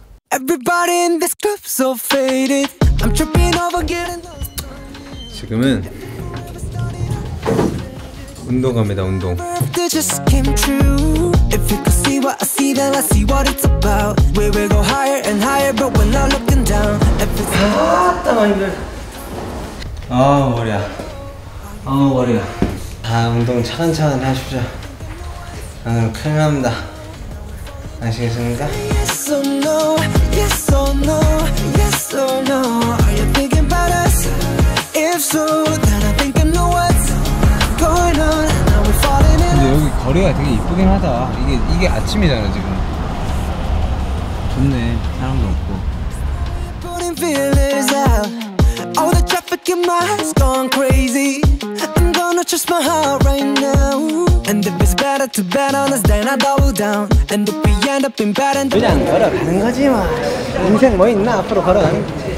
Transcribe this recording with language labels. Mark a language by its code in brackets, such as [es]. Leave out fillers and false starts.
[en] Everybody in this club so faded. I'm tripping over getting lost. [ko] 지금은 운동 갑니다, 운동. [en] If it just came true. If you could see what I see, then I see what it's about. We will go higher and higher, but we're not looking down. If it's hot, I'm here. [ko] 아, 머리야. 아, 머리야. 아, 운동 차근차근 하시죠. 아, 큰일 납니다. 아시겠습니까? [en] Yes or no, yes or no, yes or no. Are you thinking about us? If so, then I think I know what's going on. [ko] 여기 거리가 되게 이쁘긴 하다. 이게 아침이잖아 지금. 좋네. 사람도 없고. [en] All the traffic in my head's gone crazy. I'm gonna trust my heart right now. And if it's better to bet on us, then I double down. And if we end up in bed and [ko] 그냥 걸어가는 거지 뭐. 인생 뭐 있나 앞으로 걸어가는 거지.